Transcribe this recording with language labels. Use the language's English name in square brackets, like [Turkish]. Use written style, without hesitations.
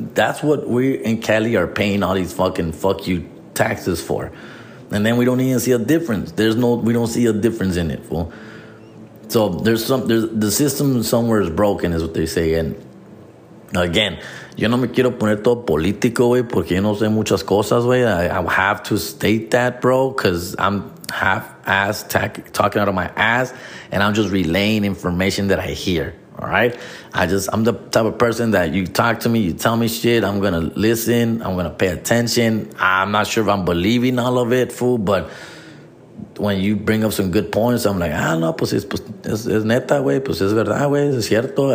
[English] That's what we in Cali are paying all these fucking fuck you taxes for. And then we don't even see a difference. There's no, we don't see a difference in it, fool. So there's some, there's the system somewhere is broken, is what they say. [Spanish] And again, yo no me quiero poner todo político, güey, porque yo no sé muchas cosas, güey. [English] I have to state that, bro, because I'm half-ass talking out of my ass, and I'm just relaying information that I hear, all right? I'm the type of person that you talk to me, you tell me shit, I'm going to listen, I'm going to pay attention. I'm not sure if I'm believing all of it, fool, but when you bring up some good points, I'm like, ah, no, [Spanish] pues es neta, güey, pues es verdad, güey, es cierto.